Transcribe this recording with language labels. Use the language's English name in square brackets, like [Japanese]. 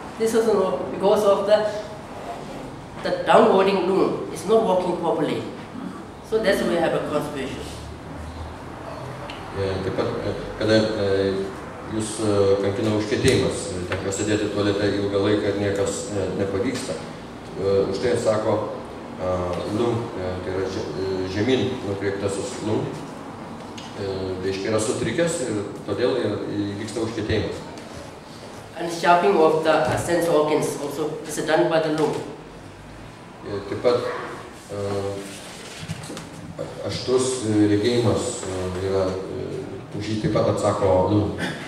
[English] This is not because of the downwarding lung is not working properly. So that's why we have a constipation. [Lithuanian] Taip pat, kada jūs kankina užkietėjimas, tenka sėdėti tualete ilgą laiką ir niekas nepavyksta, už tai atsako lung, tai yra žemyn nukreiptasis lung, reiškia yra sutrikęs ir todėl įvyksta užkietėjimas. [English] And sharpening of the sense organs also is done by the lung. [Lithuanian] Taip pat aštrus regėjimas yra už jį taip pat atsako lung.